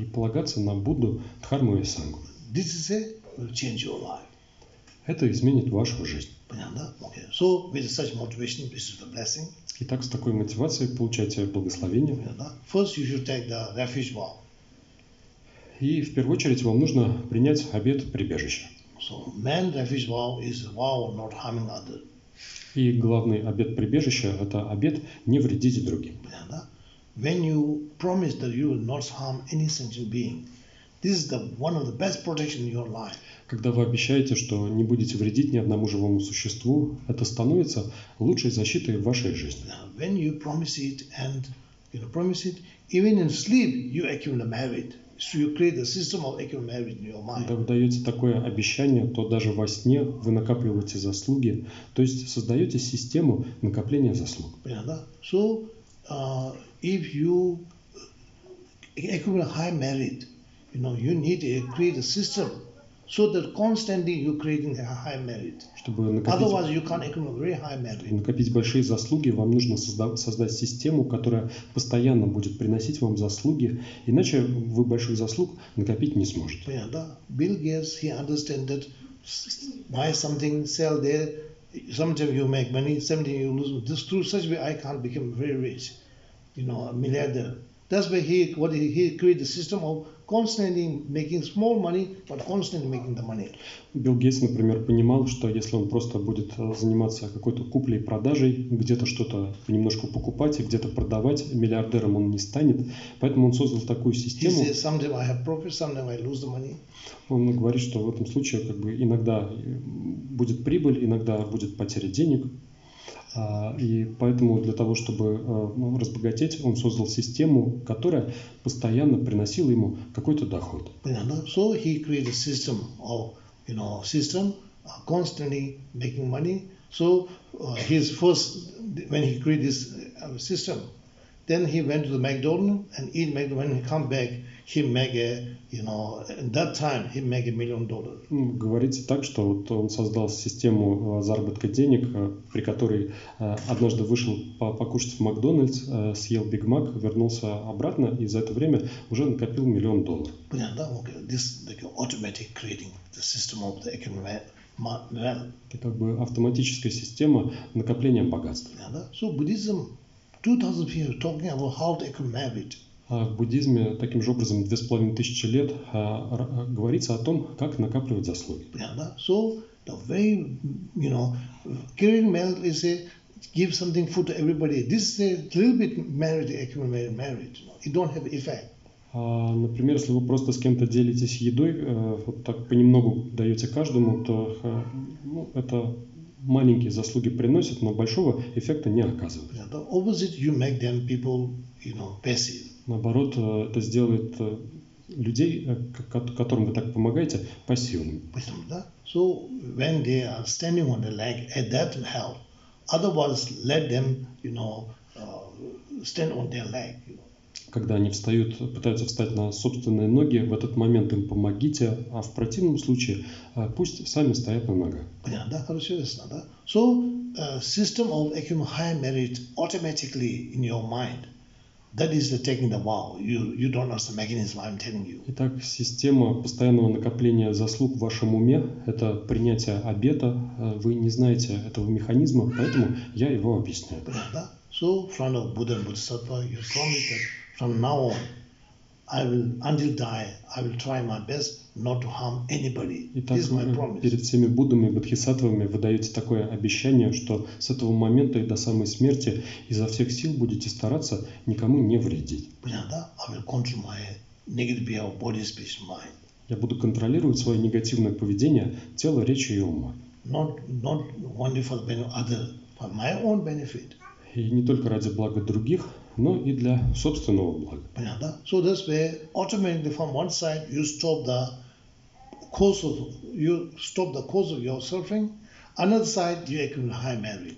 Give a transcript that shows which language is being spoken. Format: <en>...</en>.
<ru>И полагаться на Будду, Дхарму и Сангу.</ru> <en>This is a will change your life.</en> <ru>Это изменит вашу жизнь. Понятно, да? Okay.</ru> <en>So with such motivation, this is the blessing.</en> <ru>Итак, с такой мотивацией получаете благословение. Понятно, да?</ru> <en>First you should take the refuge vow.</en> <ru>И в первую очередь вам нужно принять обет прибежища.</ru> <en>So main refuge vow is vow not harming other.</en> <ru>И главный обет прибежища – это обет не вредить другим. Понятно, да?</ru> <en>When you promise that you will not harm any sentient being, this is the one of the best protection in your life.</en> <ru>Когда вы обещаете, что не будете вредить ни одному живому существу, это становится лучшей защитой в вашей жизни.</ru> <en>When you promise it and you know promise it, even in sleep you accumulate merit. So you create a system of accumulate merit in your mind.</en> <ru>Когда вы даете такое обещание, то даже во сне вы накапливаете заслуги, то есть создаете систему накопления заслуг. Понятно?</ru> <en>So if you accumulate high merit, you know, you need to create a system so that constantly you're creating a high merit.</en> <ru>Чтобы</ru> <en>otherwise you can't accumulate very high merit.</en> <ru>Накопить большие заслуги, вам нужно создать систему, которая постоянно будет приносить вам заслуги, иначе вы больших заслуг накопить не сможете. Yeah, да.</ru> <en>Bill Gates, he understands that buy something, sell there, sometimes you make money, sometimes you lose. This through such way I can't become very rich. You know, a milliardaire. That's why he created the system of constantly making small money, but constantly making the money.</en> <ru>Билл Гейтс, например, понимал, что если он просто будет заниматься какой-то куплей-продажей, где-то что-то немножко покупать и где-то продавать, миллиардером он не станет. Поэтому он создал такую систему.</ru> <en>He says, sometimes I have profit, sometimes I lose the money.</en> <ru>Он говорит, что в этом случае как бы иногда будет прибыль, иногда будет потеря денег. И поэтому для того, чтобы разбогатеть, он создал систему, которая постоянно приносила ему какой-то доход. Понятно.</ru> <en>So he created a system of, you know, system constantly making money. So his first, when he created this system, Then he went to the McDonald's and eat McDonald's. When he come back, he make a, you know, at that time he make $1 million.</en> <ru>Говорится так, что вот он создал систему заработка денег, при которой однажды вышел покушать в Макдональдс, съел Биг Мак, вернулся обратно и за это время уже накопил $1 million. Понятно, yeah, okay.</ru> <en>This like automatic creating the system of the economy.</en> <ru>Это как бы автоматическая система накопления богатства. Yeah, да?</ru> <en>So Buddhism 2000 years talking about how to accumulate.</en> <ru>В буддизме таким же образом 2500 лет говорится о том, как накапливать заслуги. Yeah, да?</ru> <en>So the way, you know, giving merit is a give something food to everybody. This is a little bit merit accumulate merit. It don't have effect.</en> <ru>Например, если вы просто с кем-то делитесь едой, вот так понемногу даете каждому, то ну, это маленькие заслуги приносит, но большого эффекта не оказывает.</ru> <en>Yeah, the opposite, you make them people, you know, passive.</en> <ru>Наоборот, это сделает людей, которым вы так помогаете, пассивными. Да?</ru> <en>So when they are standing on the leg, at that help. Otherwise, let them, you know, stand on their leg.</en> <ru>Когда они встают, пытаются встать на собственные ноги, в этот момент им помогите, а в противном случае пусть сами стоят на ногах. Понятно, да? Хорошо, ясно, да?</ru> <en>So, system of accumulating high merit automatically in your mind. That is the taking the vow. You don't understand the mechanism I'm telling you.</en> <ru>Итак, система постоянного накопления заслуг в вашем уме – это принятие обета. Вы не знаете этого механизма, поэтому я его объясняю. Понятно, да?</ru> <en>So, from the Buddha and Bodhisattva, you promise that from now on, I will, until die, I will try my best not to harm anybody.</en> <ru>Итак,</ru> <en>this is my promise.</en> <ru>Перед всеми Буддами и Бодхисаттвами вы даете такое обещание, что с этого момента и до самой смерти изо всех сил будете стараться никому не вредить. Понятно, да?</ru> <en>I will control my negative behavior, body, speech, mind.</en> <ru>Я буду контролировать свое негативное поведение, тело, речи и ума.</ru> <en>Not only for the benefit of others, for my own benefit.</en> <ru>И не только ради блага других, но и для собственного блага. Понятно, да?</ru> <en>So that's where automatically from one side you stop the cause of your suffering, another side you accumulate high merit.</en>